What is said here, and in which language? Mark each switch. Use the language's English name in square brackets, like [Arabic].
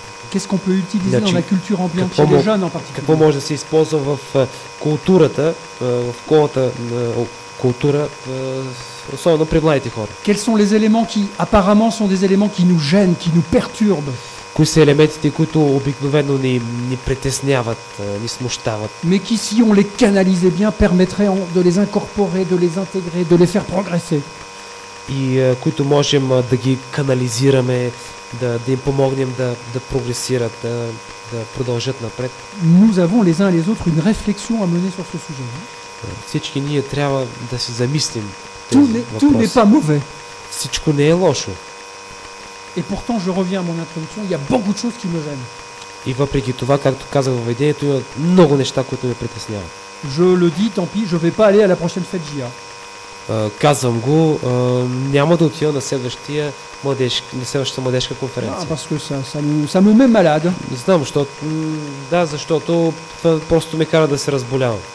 [French] Qu'est-ce qu'on peut utiliser dans la culture ambiante chez les jeunes en particulier? [Bulgarian] Какво може да се използва в културата, в колата култура, особено при младите хора? [French] Quels sont les éléments qui apparemment sont des éléments qui nous gênent, qui nous perturbent? [Bulgarian] Кои са елементите, които обикновено ни притесняват, ни смущават? [French] Mais qui si on les canalisait bien permettrait de les incorporer, de les intégrer, de les faire progresser. [Bulgarian] И които можем да ги канализираме, да им помогнем да прогресират, да продължат напред. [French] Nous avons les uns les autres une réflexion à mener sur ce sujet. [Bulgarian] Всички ние трябва да се замислим. [French] Tout n'est pas mauvais. [Bulgarian] Всичко не е лошо. [French] Et pourtant je reviens à mon introduction, il y a beaucoup de choses qui me gênent. [Bulgarian] И въпреки това, както казах в идеята, има много неща, които ме притесняват. [French] Je le dis, tant pis, je vais pas aller à la prochaine fête JA. [Bulgarian] Казвам го, няма да отида на следващата младежка конференция. [French] Ah, parce que ça me met malade. [Bulgarian] Знам, защото това просто ме кара да се разболявам.